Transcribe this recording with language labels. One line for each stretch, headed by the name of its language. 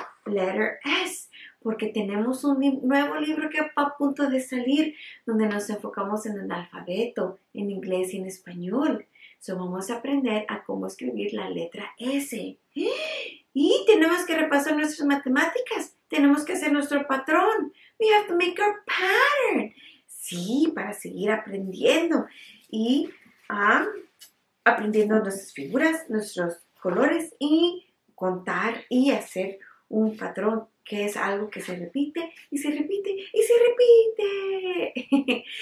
English: Letter S,
Spanish: porque tenemos un nuevo libro que va a punto de salir, donde nos enfocamos en el alfabeto, en inglés y en español. So vamos a aprender a cómo escribir la letra S. Y tenemos que repasar nuestras matemáticas. Tenemos que hacer nuestro patrón.
English: We have to make our pattern.
Spanish: Sí, para seguir aprendiendo. Y aprendiendo nuestras figuras, nuestros colores y contar y hacer un patrón que es algo que se repite y se repite y se repite.